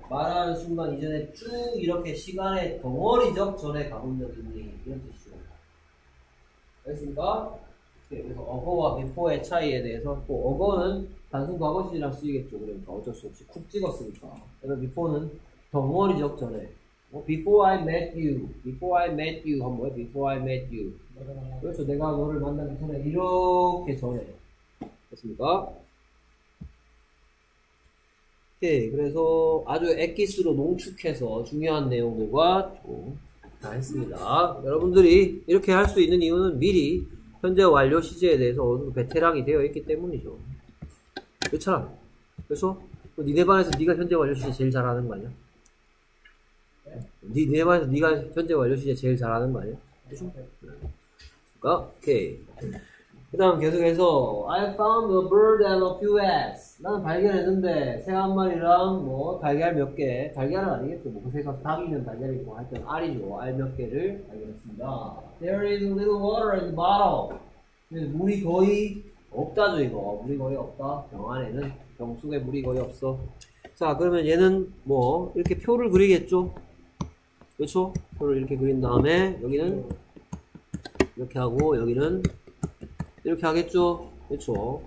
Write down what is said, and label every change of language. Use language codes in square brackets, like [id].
[ko] 말하는 순간 이전에 쭉 이렇게 시간의 덩어리적 전에 가본 적 있니? 이런 뜻이죠. 알겠습니까? 그래서 어고와 before의 차이에 대해서 또 어고는 단순 과거시제랑 쓰이겠죠. 그러니까 어쩔 수 없이 쿡 찍었으니까. 그래서 before는 덩어리적 전에. [en] Before I met you, before I met you, [ko] 한 번에 [en] before I met you. [ko] 그렇죠. 내가 너를 만나기 전에 이렇게 전해. 됐습니까? 오케이. 그래서 아주 액기스로 농축해서 중요한 내용들과 조금 다 했습니다. 여러분들이 이렇게 할수 있는 이유는 미리 현재 완료 시제에 대해서 어느 정도 베테랑이 되어 있기 때문이죠. 그렇잖아. 그래서 니네 반에서 니가 현재 완료 시제 제일 잘하는 거 아니야? 니네 반에서 니가 현재 완료 시제 제일 잘하는 거 아니야? 그쵸? 오케이. 그 다음 계속해서 [en] I found a bird and a few eggs. [ko] 나는 발견했는데 새한 마리랑 뭐 달걀 몇 개, 달걀은 아니겠죠. 뭐그 새가 닭이면 달걀이고 하여튼 알이죠. 알몇 개를 발견했습니다. [en] There is a little water in the bottle. [ko] 물이 거의 없다죠 이거. 물이 거의 없다. 병 안에는, 병 속에 물이 거의 없어. 자, 그러면 얘는 뭐 이렇게 표를 그리겠죠. 그렇죠? 표를 이렇게 그린 다음에 여기는 이렇게 하고 여기는 이렇게 하겠죠? 그렇죠?